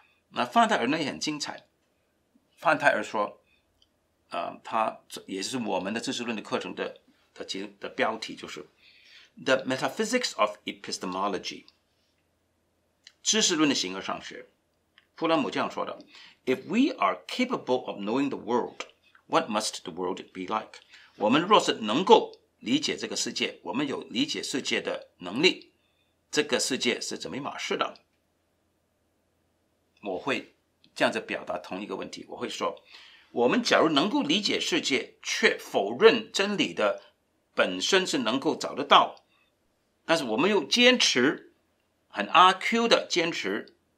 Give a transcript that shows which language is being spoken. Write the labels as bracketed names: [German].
[Chinese] 那范泰尔呢也很精彩，范泰尔说，他也是我们的知识论的课程的标题，就是 [English] The Metaphysics of Epistemology， [Chinese] 知识论的形而上学。弗兰姆这样说的， [English] If we are capable of knowing the world, what must the world be like? [Chinese] 我们若是能够理解这个世界，我们有理解世界的能力，这个世界是怎么一码事的。我会这样子表达同一个问题，我会说，我们假如能够理解世界却否认真理的本身是能够找得到，但是我们又坚持很阿 Q 的坚持